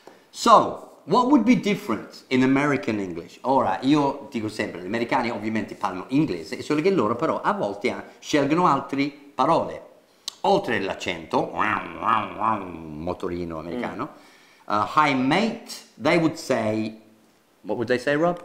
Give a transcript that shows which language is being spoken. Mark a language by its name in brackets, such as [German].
[English] So, what would be different in American English? [Italian] Ora, io dico sempre, gli americani ovviamente parlano inglese, è solo che loro però a volte scelgono altre parole. Oltre l'accento, motorino americano, [English] hi mate, they would say, what would they say, Rob?